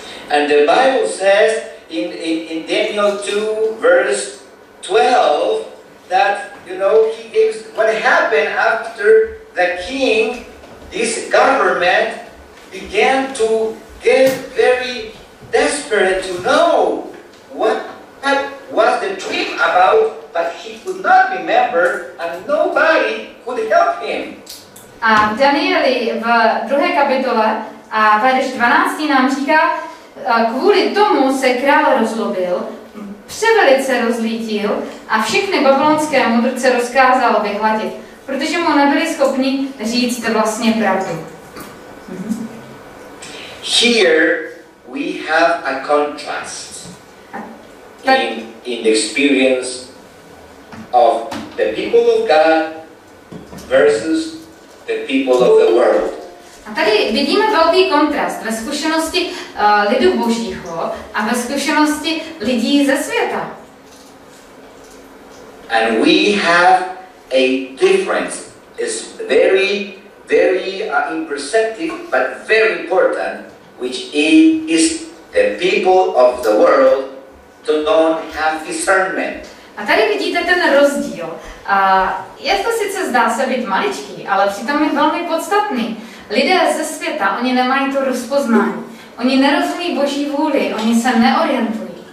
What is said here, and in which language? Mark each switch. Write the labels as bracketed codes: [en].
[en] And the Bible says in Daniel 2 verse 12 that, you know, he gives what happened after the king, this government, began to get very desperate to know what was the dream about, but he could not remember and nobody could help him. [cs] A v Danieli v druhé kapitole a verš 12 nám říká, kvůli tomu se král rozlobil, převelice rozlítil a všechny babylonské mudrce rozkázal vyhladit, protože mu nebyli schopni říct vlastně pravdu. [en] Here we have a contrast in the experience of the people of God versus the people of the world. [cs] A tady vidíme velký kontrast ve zkušenosti lidu Božího a ve zkušenosti lidí ze světa. [en] And we have a difference. It's very, very imperceptible, but very important. Which is the people of the world don't have discernment. [cs] A tady vidíte ten rozdíl. Je to sice zdá se být maličký, ale přitom je velmi podstatný. Lidé ze světa, oni nemají to rozpoznání. Oni nerozumí Boží vůli, oni se neorientují.